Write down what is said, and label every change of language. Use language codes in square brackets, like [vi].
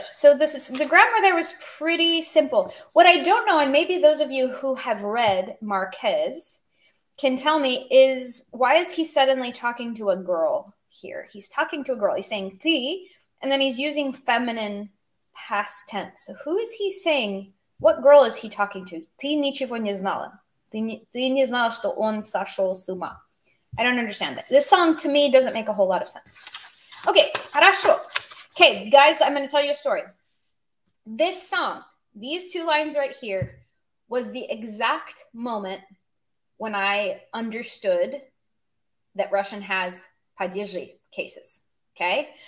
[en] So this is the grammar there was pretty simple. What I don't know, and maybe those of you who have read Marquez can tell me, is why is he suddenly talking to a girl here? He's talking to a girl. He's saying ti, and then he's using feminine past tense. So who is he saying? What girl is he talking to? Ti [ru] ничего не знала. Ты не знала, что он сошел с ума. [en] I don't understand that. This song, to me, doesn't make a whole lot of sense. Okay, хорошо. Okay, guys, I'm going to tell you a story. This song, these two lines right here, was the exact moment when I understood that Russian has падежи cases, okay?